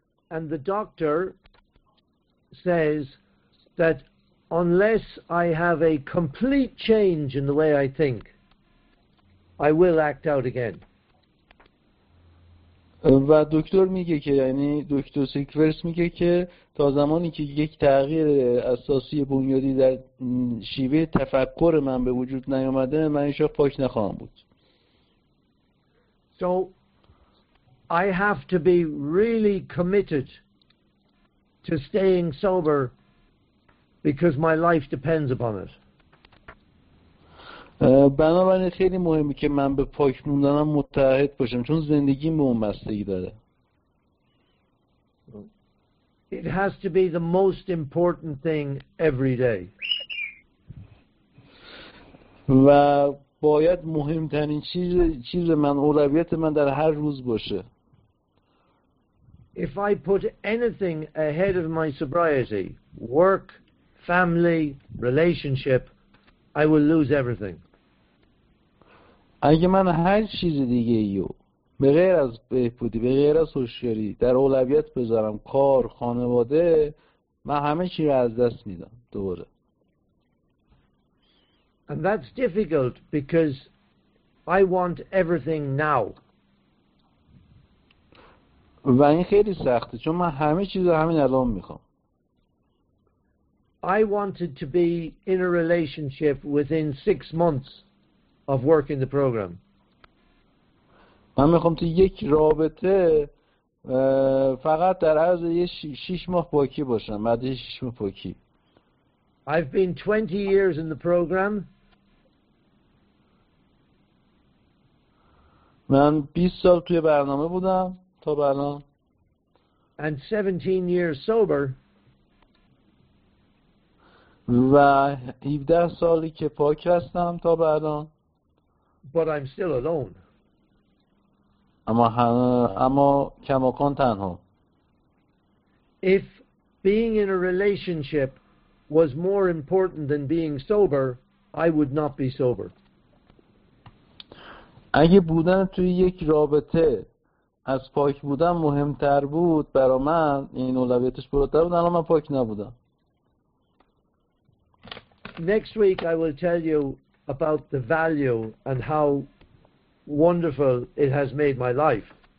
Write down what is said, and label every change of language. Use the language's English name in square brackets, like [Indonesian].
[English] And the doctor says that unless I have a complete change in the way I think, I will act out again. [Persian] و دکتر میگه که یعنی دکتر سیکورس میگه که تا زمانی که یک تغییر اساسی بنیادی در شیوه تفکر من به وجود نیامده من این شخص پاک نخواهم بود. [English] So I have to be really committed to staying sober because my life depends upon it. [Persian] بنابراین خیلی مهمه که من به پاک موندنم متعهد باشم چون زندگیم به اون بستگی داره. [English] It has to be the most important thing every day. [Persian] و باید مهمترین چیز من اولویت من در هر روز باشه. [English] If I put anything ahead of my sobriety, work, family, relationship, I will lose everything. [Persian] اگه من هر چیز دیگه ایو به غیر از بهبودی، به غیر از هوشیاری در اولویت بذارم، کار، خانواده، من همه چی رو از دست میدم دوباره. [English] And that's difficult because I want everything now. [Persian] و این خیلی سخته چون من همه چیز رو همین الان میخوام. [English] I wanted to be in a relationship within 6 months of working the program. [Persian] من میخوام تو یک رابطه فقط در عرض 6 ماه پاکی باشم. بعد 6 ماه پاکی. [English] I've been 20 years in the program. [Persian] من 20 سال توی برنامه بودم تا الان. [English] And 17 years sober. [Persian] و 17 سالی که پاک هستم تا به الان. [English] But I'm still alone. [Persian] اما کماکان تنها. [English] If being in a relationship was more important than being sober, I would not be sober. [Persian] اگه بودن توی یک رابطه از پاک بودن مهمتر بود برای من، این اولویتش بالاتر بود، الان من پاک نبودم. [English] Next week I will tell you about the value and how wonderful it has made my life.